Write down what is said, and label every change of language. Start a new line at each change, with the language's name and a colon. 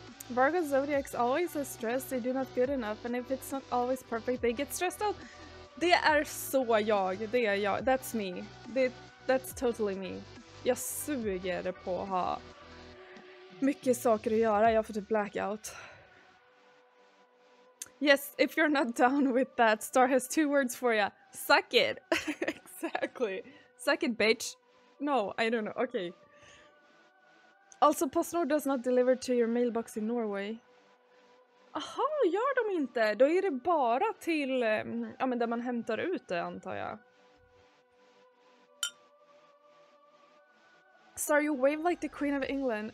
English: Virgo Zodiacs always are stressed, they do not good enough, and if it's not always perfect, they get stressed out.
Swedish: Det är så jag, det är jag,
English: that's me. That's totally me.
Swedish: Jag suger på att ha mycket saker att göra, jag får typ blackout.
English: Yes, if you're not down with that, Star has 2 words for you. Suck it! Exactly. Suck it, bitch. No, I don't know, okay. Also, PostNord does not deliver to your mailbox in Norway.
Swedish: Aha, gör de inte? Då är det bara till ja, men där man hämtar ut det, antar jag.
English: Sorry, you wave like the Queen of England.